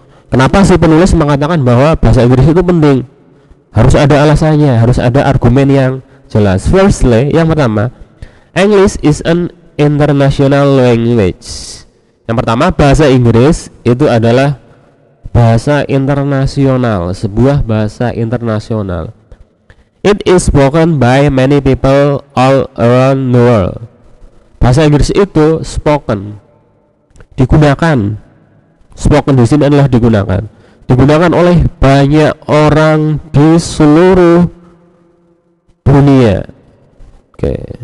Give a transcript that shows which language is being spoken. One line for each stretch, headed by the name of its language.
Indonesian: Kenapa si penulis mengatakan bahwa bahasa Inggris itu penting? Harus ada alasannya, harus ada argumen yang jelas.
English: Firstly,
Indonesian: yang pertama,
English: English is an international language.
Indonesian: Yang pertama, bahasa Inggris itu adalah bahasa internasional, sebuah bahasa internasional.
English: It is spoken by many people all around the world.
Indonesian: Bahasa Inggris itu spoken, digunakan. Spoken di sini adalah digunakan. Digunakan oleh banyak orang di seluruh dunia. Oke. Okay.